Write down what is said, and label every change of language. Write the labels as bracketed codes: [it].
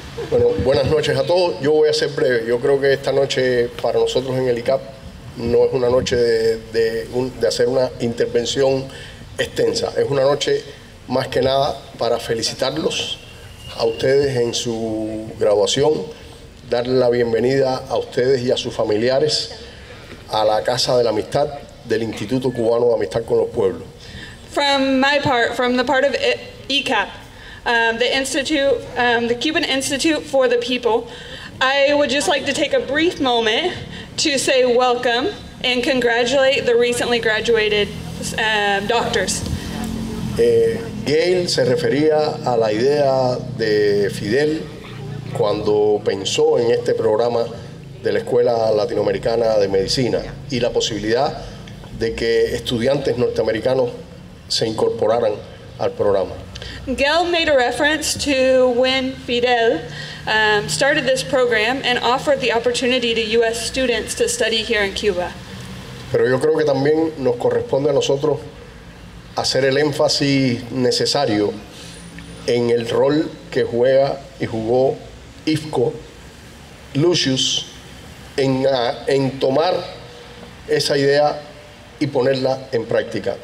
[es] Bueno, buenas noches a todos. Yo voy a ser breve. Yo creo que esta noche para nosotros en el ICAP no es una noche de hacer una intervención extensa. Es una noche más que nada para felicitarlos a ustedes en su graduación, dar la bienvenida a ustedes y a sus familiares a la Casa de la Amistad del Instituto Cubano de Amistad con los Pueblos. [en] From my part, from the part of ECAP, the Cuban Institute for the People, I would just like to take a brief moment to say welcome and congratulate the recently graduated doctors. [es] Gail se refería a la idea de Fidel cuando pensó en este programa de la Escuela Latinoamericana de Medicina y la posibilidad de que estudiantes norteamericanos se incorporaran al programa. [en] Gail made a reference to when Fidel started this program and offered the opportunity to U.S. students to study here in Cuba. [es] Pero yo creo que también nos corresponde a nosotros hacer el énfasis necesario en el rol que juega y jugó IFCO, Lucius, en tomar esa idea y ponerla en práctica.